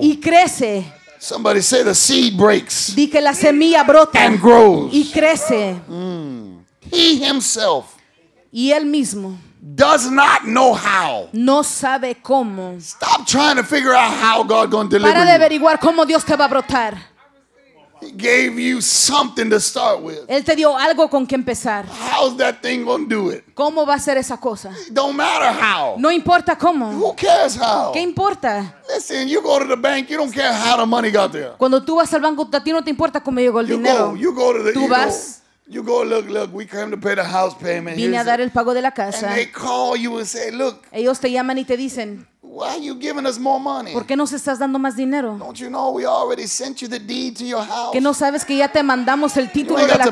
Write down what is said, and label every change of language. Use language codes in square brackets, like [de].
[es] Y crece. [en] Somebody say the seed breaks. [es] Di que la semilla brota. [en] And grows. [es] Y crece. [en] He himself [es] y él mismo [en] does not know how. [es] No sabe cómo. [en] Stop trying to figure out how God going to deliver [es] para Para de averiguar cómo Dios te va a brotar. [en] He gave you something to start with. [es] Él te dio algo con que empezar. [en] How's that thing going to do it? [es] ¿Cómo va a ser esa cosa? [en] Don't matter how. [es] No importa cómo. [en] Who cares how? [es] ¿Qué importa? [en] Listen, you go to the bank, you don't care how the money got there. [es] Cuando tú vas al banco, a ti no te importa cómo llegó el dinero. [en] You go to the [es] tú vas. [en] You go, look, we came to pay the house payment. [es] Vine a dar el pago de la casa. [en] And they call you and say, look. [es] Ellos te llaman y te dicen, [en] why are you giving us more money? [es] ¿Por qué nos estás dando más dinero? [en] Don't you know we already sent you the deed to your house? [es] ¿Que no sabes que ya te mandamos el título de la casa?